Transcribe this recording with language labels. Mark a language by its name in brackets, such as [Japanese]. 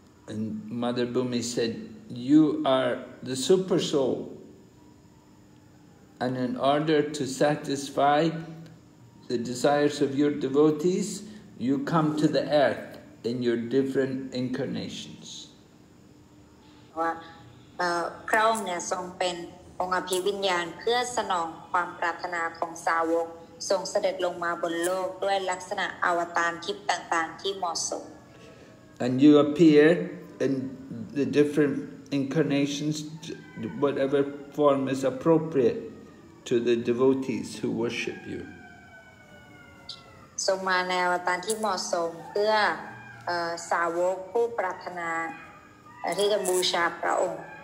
[English] And Mother Bhumi said, "You are the super soul, and in order to satisfy the desires of your devotees, you come to the earth in your different incarnations." [Thai] ว่าพระองค์เนี่ยทรงเป็นองค์อภิวิญญาณเพื่อสนองความปรารถนาของสาวกทรงเสด็จลงมาบนโลกด้วยลักษณะอวตารทิพย์ต่างๆที่เหมาะสม [English] And you appear in the different incarnations, whatever form is appropriate to the devotees who worship you. [Thai] ทรงมาในอวตารที่เหมาะสมเพื่อสาวกผู้ปรารถนาที่จะบูชาพระองค์